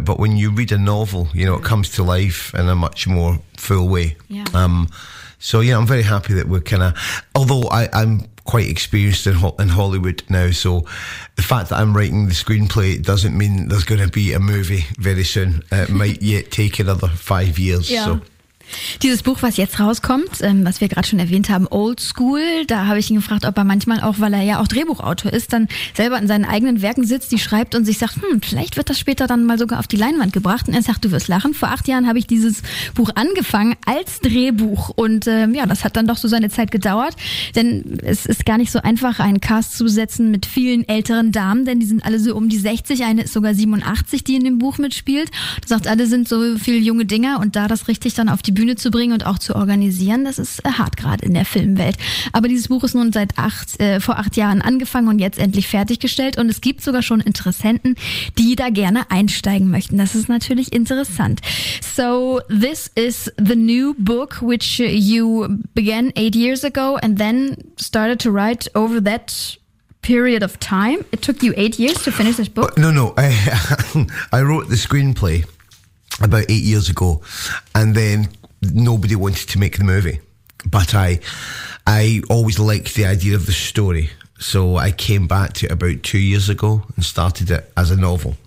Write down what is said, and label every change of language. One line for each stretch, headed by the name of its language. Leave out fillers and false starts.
English: But when you read a novel, you know, it comes to life in a much more full way. Yeah. So, yeah, I'm very happy that we're kind of... Although I'm quite experienced in Hollywood now, so the fact that I'm writing the screenplay doesn't mean there's going to be a movie very soon. It might yet take another 5 years, yeah. So...
German: Dieses Buch, was jetzt rauskommt, was wir gerade schon erwähnt haben, Old School, da habe ich ihn gefragt, ob er manchmal auch, weil er ja auch Drehbuchautor ist, dann selber in seinen eigenen Werken sitzt, die schreibt und sich sagt, vielleicht wird das später dann mal sogar auf die Leinwand gebracht. Und er sagt, du wirst lachen, vor 8 Jahren habe ich dieses Buch angefangen als Drehbuch. Und das hat dann doch so seine Zeit gedauert, denn es ist gar nicht so einfach, einen Cast zu besetzen mit vielen älteren Damen, denn die sind alle so um die 60, eine ist sogar 87, die in dem Buch mitspielt. Du sagst, alle sind so viele junge Dinger und da das richtig dann auf die Bühne zu bringen und auch zu organisieren, das ist hart gerade in der Filmwelt. Aber dieses Buch ist nun vor acht Jahren angefangen und jetzt endlich fertiggestellt und es gibt sogar schon Interessenten, die da gerne einsteigen möchten. Das ist natürlich interessant.
English: So, this is the new book which you began 8 years ago and then started to write over that period of time. It took you 8 years to finish this book? No. I wrote the screenplay about 8 years ago and then nobody wanted to make the movie, but I always liked the idea of the story, so I came back to it about 2 years ago and started it as a novel.